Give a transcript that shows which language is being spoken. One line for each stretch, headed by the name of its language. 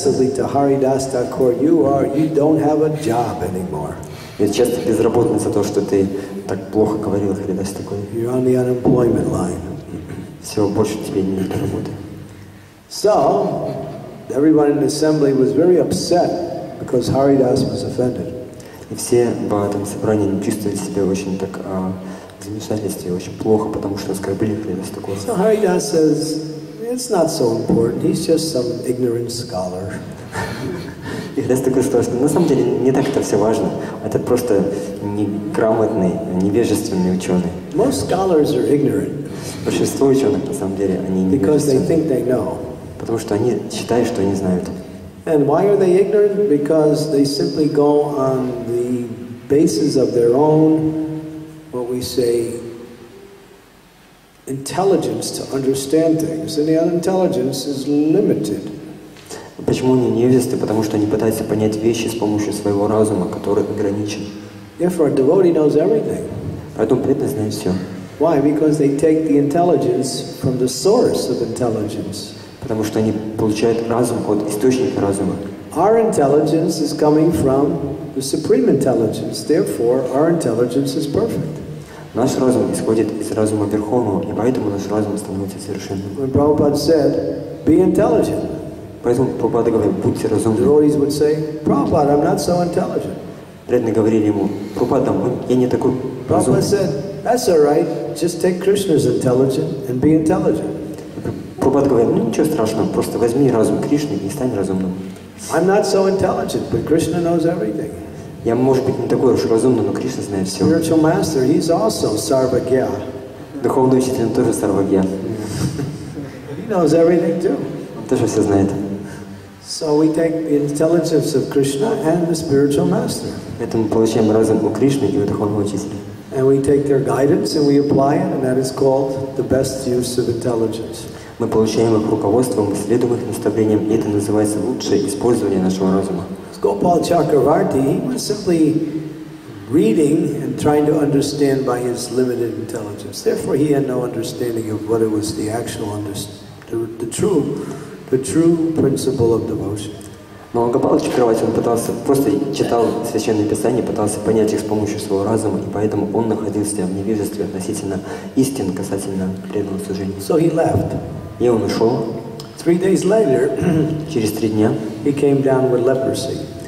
English: Offensively to Haridas Thakur, you don't have a job anymore.
Russian: И часто безработный за то, что ты так плохо говорил, Харидас такой.
English: You're on the unemployment line.
Russian: Всего больше тебе не надо работы.
English: So, everyone in the assembly was very upset because Haridas was offended.
Russian: И все в этом собрании чувствовали себя очень так замешательстве, очень плохо, потому что оскорбили Харидас такого.
English: So Haridas says, it's not so important, he's just some ignorant scholar.
Russian: И Харидас такой сказал, что на самом деле не так это все важно, это просто неграмотный, невежественный ученый.
English: Most scholars are ignorant.
Russian: Большинство ученых, на самом деле, они не знают. Потому что они считают, что они знают.
English: And why are they ignorant? Because they simply go on the basis of their own, what we say, intelligence to understand things. And their intelligence is limited.
Russian: Почему они невежественны? Потому что они пытаются понять вещи с помощью своего разума, который ограничен.
English: Therefore, a devotee knows everything.
Russian: Поэтому преданный знает все.
English: Why? Because they take the intelligence from the source of intelligence.
Russian: Потому что они получают разум от источника разума.
English: Our intelligence is coming from the supreme intelligence. Therefore, our intelligence is perfect.
Russian: Наш разум исходит из разума верховного, и поэтому наш разум становится совершенным.
English: When Prabhupada said, "Be intelligent,"
Russian: поэтому Прабхупада говорит, будьте разумны.
English: Devotees would say, "Prabhupada, I'm not so intelligent."
Russian: Преданные говорили ему, Прабхупада, я не такой разумный.
English: That's all right. Just take Krishna's intelligence and be intelligent.
Russian: Prabhupada говорит, ничего страшного, просто возьми разум Кришны и стань разумным.
English: I'm not so intelligent, but Krishna knows everything.
Russian: Я, может быть, не такой уж разумный, но Кришна знает все.
English: Spiritual master, he's also sarvagya.
Russian: Духовный учитель, он тоже сарвагья.
English: He knows everything too.
Russian: Он тоже все знает.
English: So we take the intelligence of Krishna and the spiritual master.
Russian: Поэтому мы получаем разум у Кришны и у духовного учителя.
English: And we take their guidance and we apply it, and that is called the best use of intelligence.
Russian: Мы получаем их руководство, мы следуем их наставлениям, и это называется лучшее использование нашего разума.
English: Gopal Chakravarti, he was simply reading and trying to understand by his limited intelligence. Therefore, he had no understanding of what it was the actual the true principle of devotion.
Russian: Но Гопал Чакраварти, он пытался, просто читал Священное Писание, пытался понять их с помощью своего разума, и поэтому он находился в невежестве относительно истин, касательно преданного служения.
English: So he left.
Russian: И он ушел.
English: Three days later,
Russian: через три дня,
English: he came down with leprosy.